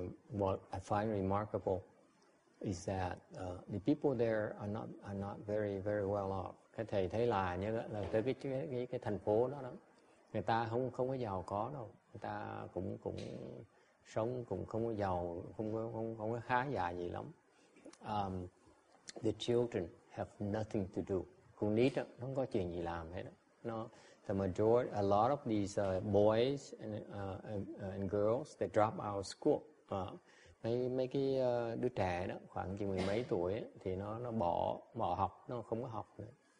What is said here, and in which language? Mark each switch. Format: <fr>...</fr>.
<en>what I find remarkable is that the people there are not very very well off.</en> <vi>Cái thầy thấy là như là tới cái thành phố đó đó, người ta không có giàu có đâu, người ta cũng sống cũng không có giàu, không có khá giả gì lắm.</vi> <en>The children have nothing to do.</en> <vi>Con nít đó, nó không có chuyện gì làm hết.</vi> <en>A lot of these boys and girls, they drop out of school.</en> <vi>Mấy cái đứa trẻ đó, khoảng chừng mười mấy tuổi ấy, thì nó bỏ học, nó không có học nữa.</vi>